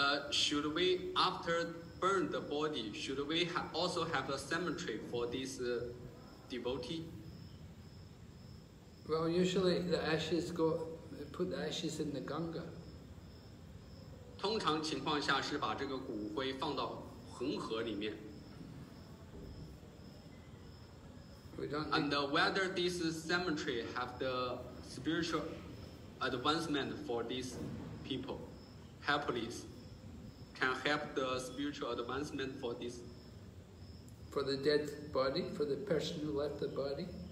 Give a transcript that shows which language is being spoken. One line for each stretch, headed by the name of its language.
English: Should we, after burn the body, should we also have a cemetery for this devotee? Well, usually the ashes go, put the ashes in the Ganga.
Chinese: 通常情况下是把这个骨灰放到恒河里面。
English: And whether this cemetery have the spiritual advancement for these people, can help the spiritual advancement for this? For the dead body? For the person who left the body?